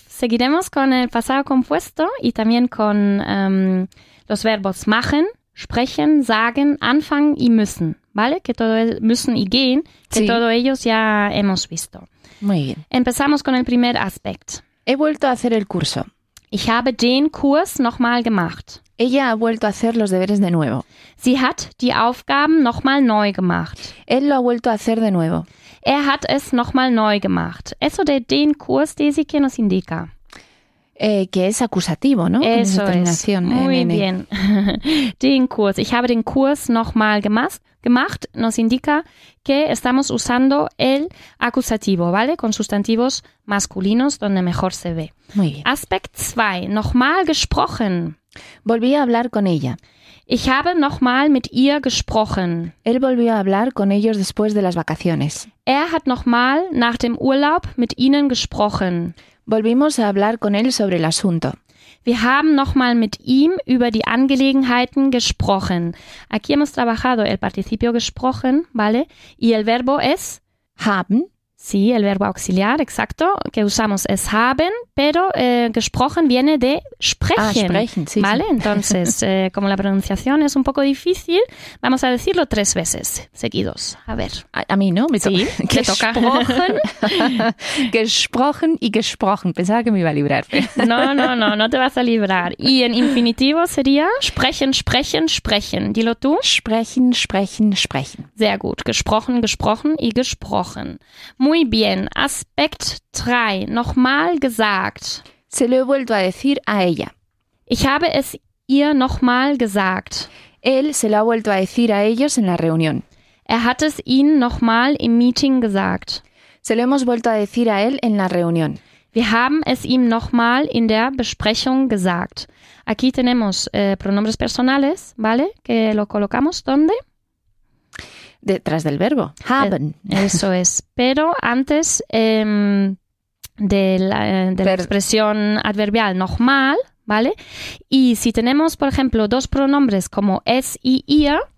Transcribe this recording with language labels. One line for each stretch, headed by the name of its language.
Spanish: Seguiremos con el pasado compuesto y también con los verbos machen, sprechen, sagen, anfangen y müssen. ¿Vale? Que todo es müssen y gehen, que sí. Todos ellos ya hemos visto. Muy bien. Empezamos con el primer aspecto. He vuelto a hacer el curso.
German: Ich habe den Kurs nochmal gemacht.
Spanish: Ella ha vuelto a hacer los deberes de nuevo.
German: Sie hat die Aufgaben nochmal neu gemacht.
Spanish: Él lo ha vuelto a hacer de nuevo.
German: Er hat es nochmal neu gemacht.
Spanish: Eso de
German: den Kurs,
Spanish: Desi, ¿qué nos indica? Que es acusativo, ¿no? Eso es. Muy bien.
German: Den Kurs. Ich habe den Kurs nochmal gemacht.
Spanish: Nos indica que estamos usando el acusativo, ¿vale? Con sustantivos masculinos, donde mejor se ve. Muy bien.
German: Aspekt 2. Nochmal gesprochen.
Spanish: Volví a hablar con ella.
German: Ich habe nochmal mit ihr gesprochen.
Spanish: Él volvió a hablar con ellos después de las vacaciones.
German: Er hat nochmal nach dem Urlaub mit ihnen gesprochen.
Spanish: Volvimos a hablar con él sobre el asunto.
German: Wir haben nochmal mit ihm über die Angelegenheiten gesprochen.
Spanish: Aquí hemos trabajado el participio gesprochen, ¿vale? Y el verbo es
German: haben,
Spanish: Sí, el verbo auxiliar, exacto, que usamos es haben, pero gesprochen viene de sprechen. Ah, sprechen, sí. ¿Vale? Sí. Entonces, como la pronunciación es un poco difícil, vamos a decirlo tres veces seguidos. A ver. A mí, ¿no? Me toca. Sí, gesprochen.
German: Gesprochen y gesprochen.
Spanish: Pensaba que me iba a librar. No te vas a librar. Y en infinitivo sería
German: sprechen, sprechen, sprechen.
Spanish: Dilo tú.
German: Sprechen, sprechen, sprechen. Sehr gut. Gesprochen, gesprochen y gesprochen.
Spanish: Muy bien.
German: Aspekt 3. Nochmal gesagt.
Spanish: Se lo he vuelto a decir a ella.
German: Ich habe es ihr nochmal gesagt.
Spanish: Él se lo ha vuelto a decir a ellos en la reunión.
German: Er hat es ihnen nochmal im Meeting gesagt.
Spanish: Se lo hemos vuelto a decir a él en la reunión.
German: Wir haben es ihm nochmal in der Besprechung gesagt.
Spanish: Aquí tenemos pronombres personales, ¿vale? Que lo colocamos ¿dónde? Detrás del verbo, haben. Eso es. Pero antes de la expresión adverbial, nochmal, ¿vale? Y si tenemos, por ejemplo, dos pronombres como es y ihr,